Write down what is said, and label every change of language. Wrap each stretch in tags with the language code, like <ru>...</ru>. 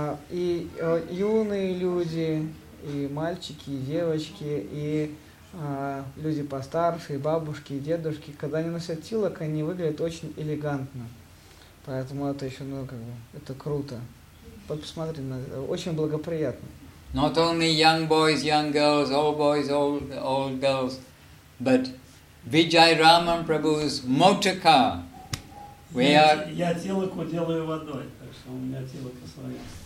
<ru>И юные люди, и мальчики, и девочки, и люди постарше, и бабушки, и дедушки, когда они носят тилак, они выглядят очень элегантно. Поэтому это еще, это круто. Вот посмотри, очень благоприятно.</ru> <en>Not only young boys, young girls, old boys, old girls, but Vijayaraman Prabhu's motor car.</en> <ru>Я тилаку делаю водой, так что у меня тилака своя.</ru>